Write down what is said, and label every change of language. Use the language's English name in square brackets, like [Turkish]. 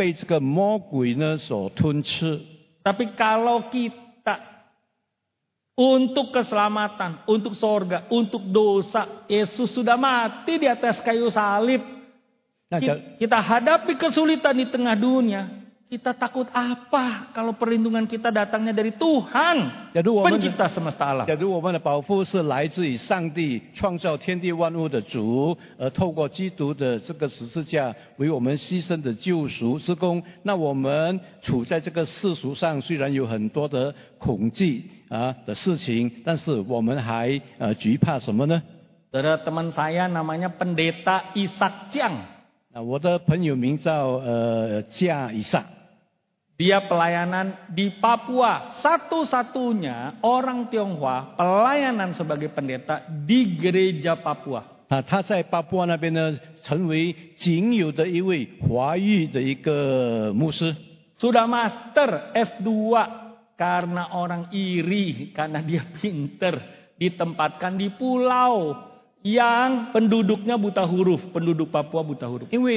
[Chinese] 在我们的生命中呢，我们又会很处于很多恐惧的情况之下，因为我们犹如要将被这个魔鬼呢所吞吃。 [Indonesian] Tapi kalau kita untuk keselamatan, untuk surga, untuk dosa, Yesus sudah mati di atas kayu salib. Kita hadapi kesulitan di tengah dunia, kita takut apa kalau perlindungan kita datangnya dari Tuhan, pencipta semesta alam. [Chinese] Jadi, 我们的保护是来自于上帝创造天地万物的主，而透过基督的这个十字架为我们牺牲的救赎之功。那我们处在这个世俗上，虽然有很多的恐惧的事情，但是我们还惧怕什么呢？ [Indonesian] Saudara, teman saya namanya Pendeta Isaac Chiang. [Chinese] 我的朋友名叫加以萨。 [Indonesian] Dia pelayanan di Papua, satu-satunya orang Tionghoa pelayanan sebagai pendeta di gereja Papua. [Chinese] Nah, 他在巴布那边呢，成为仅有的一位华裔的一个牧师。 [Indonesian] Sudah master S2 karena orang iri karena dia pinter ditempatkan di pulau yang penduduknya buta huruf, penduduk Papua buta huruf.